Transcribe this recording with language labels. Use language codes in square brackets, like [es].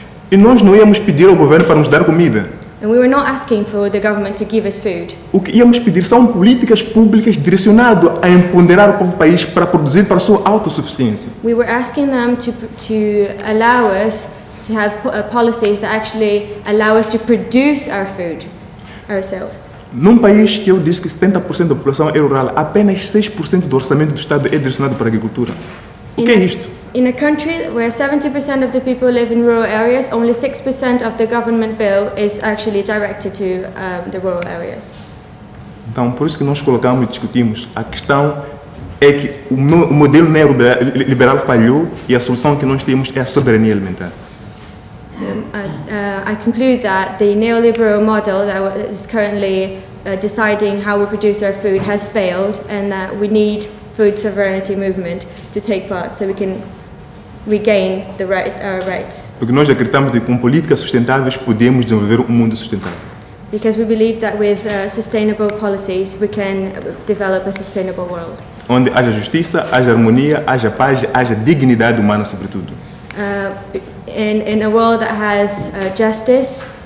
[pt] E nós não íamos pedir ao governo para nos dar comida. [en] And we were not asking for the government to give us food. [pt] O que íamos pedir são políticas públicas direcionadas a empoderar o próprio país para produzir para a sua autossuficiência. [en] We were asking them to allow us to have policies that actually allow us to produce our food ourselves. [pt] Num país que eu disse que 70% da população é rural, apenas 6% do orçamento do Estado é direcionado para a agricultura. O que é isto? [en] In a country where 70% of the people live in rural areas, only 6% of the government bill is actually directed to the rural areas. [pt] Então, por isso que nós colocamos e discutimos, a questão é que o modelo neoliberal falhou e a solução que nós temos é a soberania alimentar. [en] I conclude that the neoliberal model that is currently deciding how we produce our food has failed, and that we need food sovereignty movement to take part so we can regain the right, our rights. [pt] Porque nós acreditamos que com políticas sustentáveis podemos desenvolver mundo sustentável. [en] Because we believe that with sustainable policies we can develop a sustainable world. [pt] Onde haja justiça, haja harmonia, haja paz, haja dignidade humana sobretudo. [en] In a world that has justice,